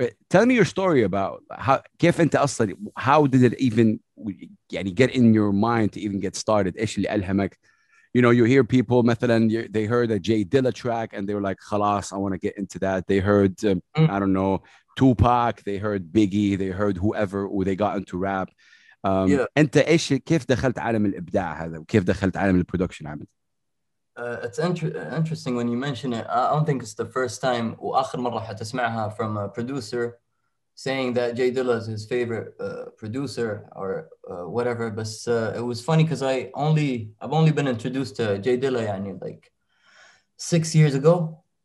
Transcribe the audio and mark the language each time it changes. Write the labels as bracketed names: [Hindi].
[English] Tell me your story about how [Arabic] كيف أنت أصلاً, [English] how did it even, يعني, get in your mind to even get started? [Arabic] إيش اللي ألهمك? [English] You know, you hear people, مثلاً, they heard a Jay Dilla track and they were like, خلاص, I want to get into that. They heard, I don't know, Tupac, they heard Biggie, they heard whoever, or they got into rap. [Arabic] أنت إيش كيف دخلت عالم الإبداع هذا وكيف دخلت عالم البرودكشن عامل؟ [English] It's interesting when you mention it. I don't think it's the first time [Arabic] وآخر مرة حتسمعها [English] from a producer saying that Jay Dilla is his favorite producer or whatever. But it was funny because I've only been introduced to Jay Dilla, يعني, like 6 years ago.